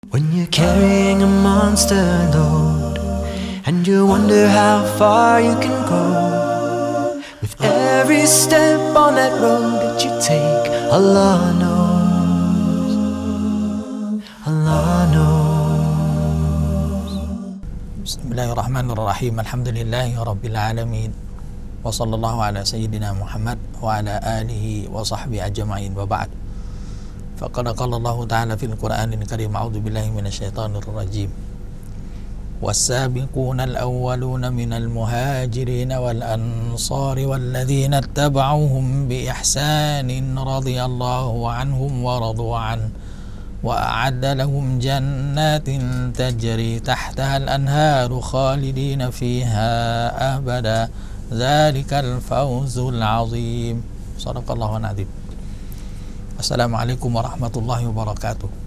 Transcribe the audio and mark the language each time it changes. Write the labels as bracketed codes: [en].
[en] When you're carrying a monster load and you wonder how far you can go, with every step on that road that you take, Allah knows, Allah knows. [ar] بسم الله الرحمن الرحيم الحمد لله رب العالمين وصلى الله على سيدنا محمد وعلى آله وصحبه أجمعين وبعد. فقد قال الله تعالى في القرآن الكريم أعوذ بالله من الشيطان الرجيم والسابقون الأولون من المهاجرين والأنصار والذين اتبعوهم بإحسان رضي الله عنهم ورضوا عنه وأعد لهم جنات تجري تحتها الأنهار خالدين فيها أبدا ذلك الفوز العظيم صدق الله العظيمAssalamualaikum warahmatullahi wabarakatuh